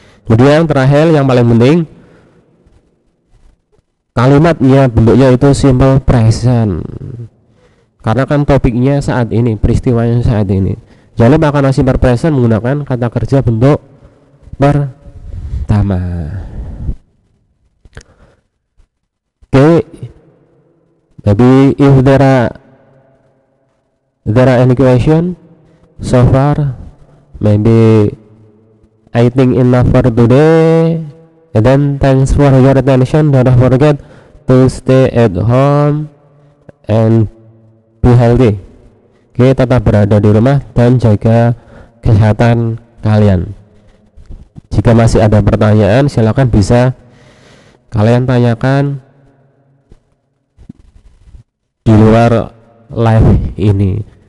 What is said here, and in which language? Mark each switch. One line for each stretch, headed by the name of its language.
Indonesian: Kemudian yang terakhir, yang paling penting, kalimatnya, bentuknya itu simple present, karena kan topiknya saat ini, peristiwanya saat ini. Jangan lupa karena simple present menggunakan kata kerja bentuk pertama.
English: Oke, maybe if there are any question so far, maybe I think enough for today, and then thanks for your attention. Don't forget to stay at home and be healthy.
Indonesian: Oke, tetap berada di rumah dan jaga kesehatan kalian. Jika masih ada pertanyaan, silakan bisa kalian tanyakan di luar live ini.